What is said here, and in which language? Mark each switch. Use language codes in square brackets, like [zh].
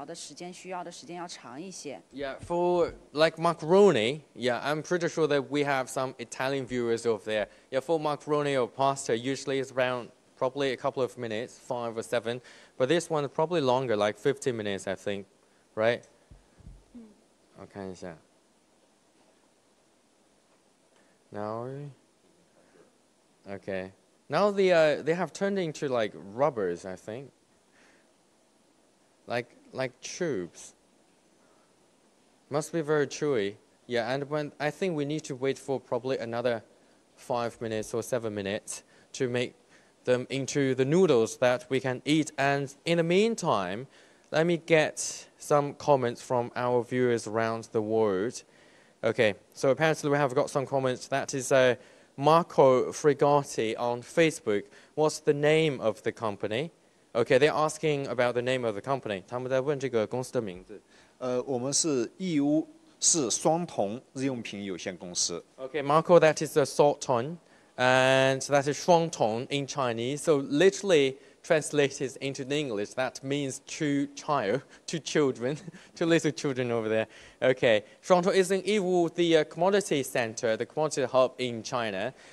[zh] 面条要时间要长一些。对，因为它是非常有韧劲的，对，是因为它要保证它的耐水性能够足够的好，所以说我们在水里面煮的时间要比一般的面条的时间需要的时间要长一些。Yeah, [en] for like macaroni, yeah, I'm pretty sure that we have some Italian viewers over there. Yeah, for macaroni or pasta, usually it's around probably a couple of minutes, 5 or 7, but this one is probably longer, like 15 minutes, I think, right? [zh] 我看一下。 [en] Now they have turned into like rubbers, I think. Like tubes. Must be very chewy. Yeah, and I think we need to wait for probably another 5 minutes or 7 minutes to make them into the noodles that we can eat. And in the meantime, let me get some comments from our viewers around the world. Okay, so apparently we have got some comments. That is Marco Frigotti on Facebook. What's the name of the company? Okay, they're asking about the name of the company. [zh] 他们在问这个公司的名字。我们是义乌市双铜日用品有限公司。 [en] Okay, Marco, that is a Shuangtong, and that is Shuangtong in Chinese. So literally translated into English, that means to child, to children, to little children over there. Okay, Shuangtong is in Yiwu, the commodity center, the commodity hub in China.